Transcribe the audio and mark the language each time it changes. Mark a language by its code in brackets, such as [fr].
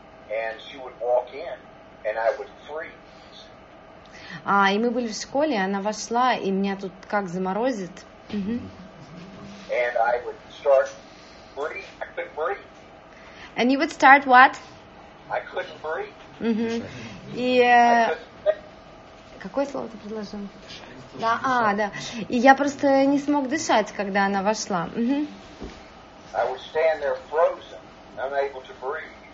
[en] And she would walk in, and I would freeze. [ru] И мы были в школе, она вошла, и меня тут как заморозит. [en] And I would start breathe. I couldn't breathe. And you would start what? I couldn't breathe. [ru] Какое слово ты предложил? Да, да. И я просто не смог дышать, когда она вошла. [en] I would stand there frozen, unable to breathe.